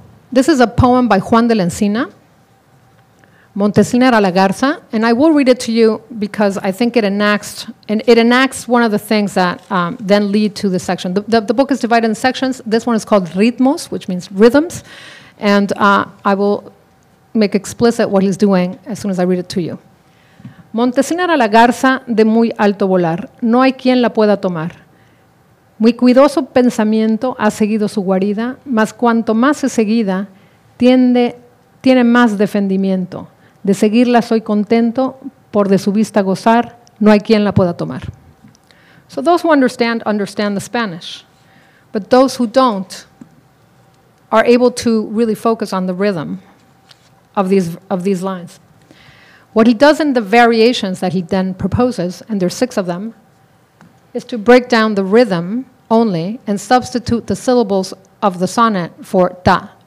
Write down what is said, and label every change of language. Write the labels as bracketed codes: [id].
[en] This is a poem by Juan de la Encina, Montesina era la Garza, and I will read it to you because I think it enacts one of the things that then lead to the section. The book is divided in sections. This one is called Ritmos, which means rhythms, and I will make explicit what he's doing as soon as I read it to you. [es] Montesina era la garza de muy alto volar, no hay quien la pueda tomar. Muy cuidoso pensamiento ha seguido su guarida, mas cuanto más es seguida, tiene más defendimiento. De seguirla soy contento, por de su vista gozar, no hay quien la pueda tomar. [en] So those who understand the Spanish, but those who don't are able to really focus on the rhythm of these lines. What he does in the variations that he then proposes, and there's six of them, is to break down the rhythm only and substitute the syllables of the sonnet for ta.